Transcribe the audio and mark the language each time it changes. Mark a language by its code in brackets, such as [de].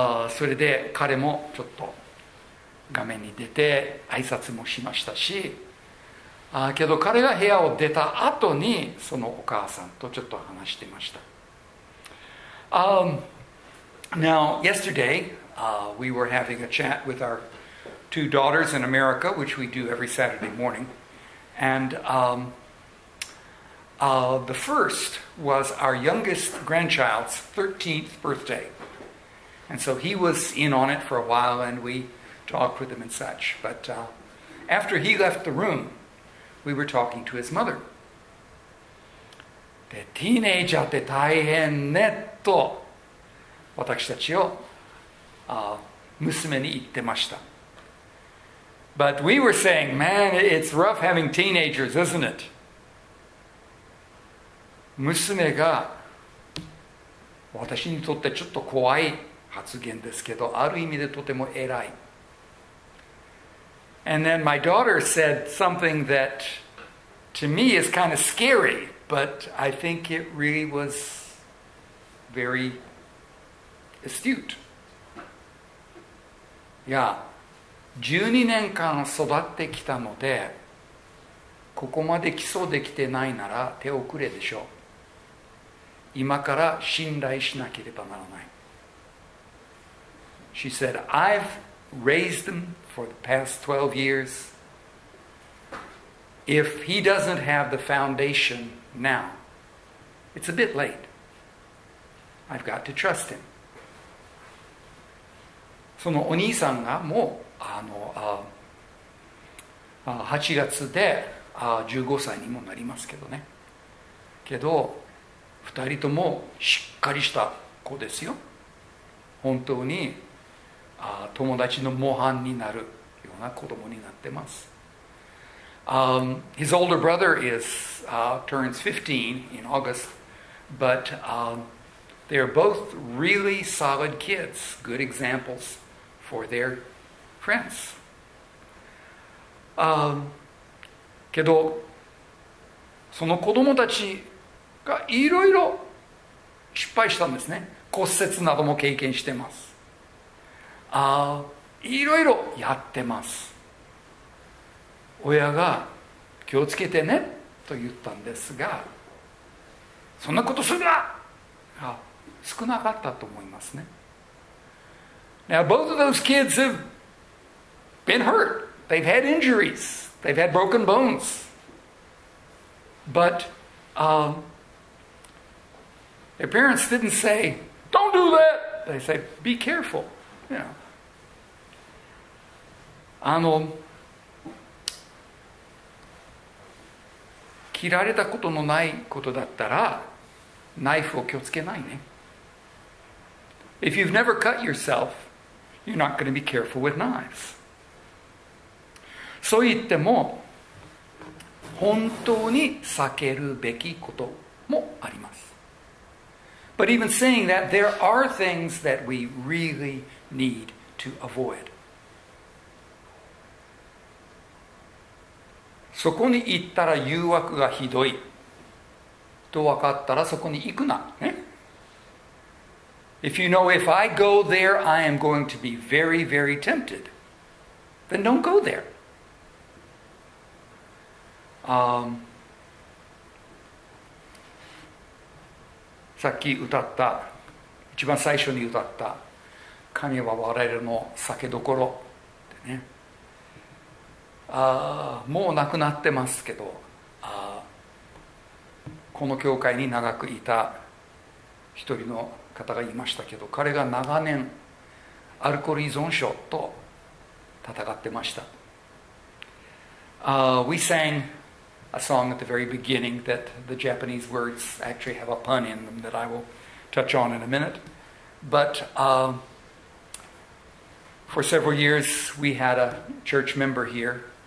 [ja] それで彼もちょっと画面に出て挨拶もしましたし、けど彼が部屋を出た後にそのお母さんとちょっと話してました。 [en] Now, yesterday, we were having a chat with our two daughters in America, which we do every Saturday morning. And the first was our youngest grandchild's 13th birthday. And so he was in on it for a while, and we talked with him and such. But after he left the room, we were talking to his mother. [ja] で、ティーネイジャーって大変ねと私たちを娘に言ってました。 [en] But we were saying, man, it's rough having teenagers, isn't it? [ja] 娘が私にとってちょっと怖い発言ですけど、ある意味でとても偉い。 [en] And then my daughter said something that to me is kind of scary, but I think it really was very astute. Yeah. [ja] 12年間育ってきたのでここまで基礎できてないなら手遅れでしょう。今から信頼しなければならない。 [en] She said, I've raised them for the past 12 years. If he doesn't have the foundation now, it's a bit late. I've got to trust him. [ja] そのお兄さんがもう8月で15歳にもなりますけどね。けど2人ともしっかりした子ですよ。本当に友達の模範になるような子供になってます。 [en] His older brother is turns 15 in August, but they're both really solid kids, good examples for their friends. [ja] けどその子供たちがいろいろ失敗したんですね。骨折なども経験してます。いろいろやってます。親が気をつけてねと言ったんですが、そんなことするなが少なかったと思いますね。 [en] Now both of those kids have been hurt. They've had injuries. They've had broken bones. But their parents didn't say, don't do that. They said, be careful. Yeah. [ja] 切られたことのないことだったら、ナイフを気をつけないね。 [en] If you've never cut yourself, you're not going to be careful with knives. [ja] そう言っても本当に避けるべきこともあります。 [en] But even saying that, there are things that we really need to avoid. [ja] そこに行ったら誘惑がひどいと分かったらそこに行くな、ね、 [en] If you know if I go there I am going to be very very tempted, then don't go there. [ja] さっき歌った一番最初に歌った神は我々の酒どころってね、もうなくなってますけど、この教会に長くいた一人の方がいましたけど、彼が長年アルコール依存症と戦ってました。 [en] We sang a song at the very beginning that the Japanese words actually have a pun in them that I will touch on in a minute. But for several years we had a church member here.